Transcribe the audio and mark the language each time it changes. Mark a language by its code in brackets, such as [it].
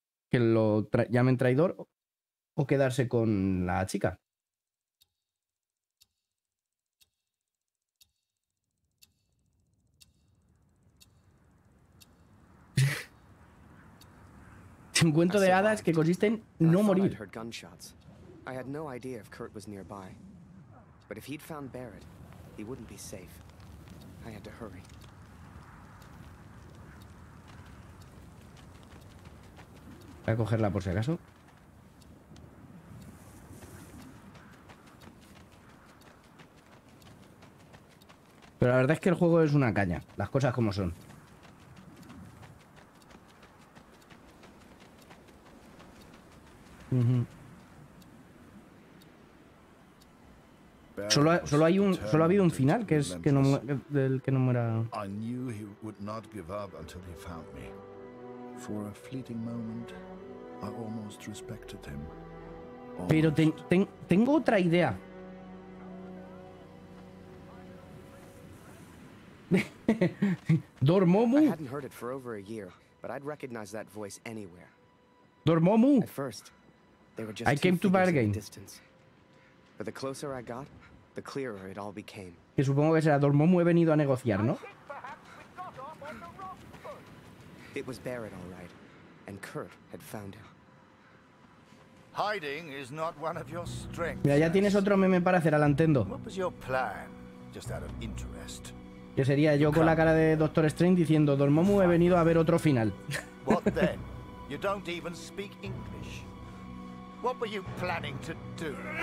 [es] Que lo llamen traidor. O quedarse con la chica. Un cuento de hadas que consiste en no morir. [en] I had no idea if Kurt was nearby. But if he'd found Barrett, he wouldn't be safe. I had to hurry. [es] Voy a cogerla por si acaso. Pero la verdad es que el juego es una caña, las cosas como son. Solo ha habido un final que es que no del que no muera. [en] I knew he would not give up until he found me. For a fleeting moment, I almost respected him. [es] Pero tengo otra idea. [en] Dormammu. I hadn't heard it for over a year, but I'd recognize that voice anywhere. Dormammu. I came to bargain. But the closer I got, the clearer it all became. [es] Que supongo que será Dormammu, he venido a negociar, ¿no? [en] It was Barrett, all right, and Kurt had found him. Hiding is not one of your strengths. [es] Mira, ya tienes otro meme para hacer al Nintendo. [en] What was your plan? Just out of interest. [es] Que sería yo con la cara de Doctor Strange diciendo, Dormammu, he venido a ver otro final. [en] What then? You don't even speak English. What were you planning to do?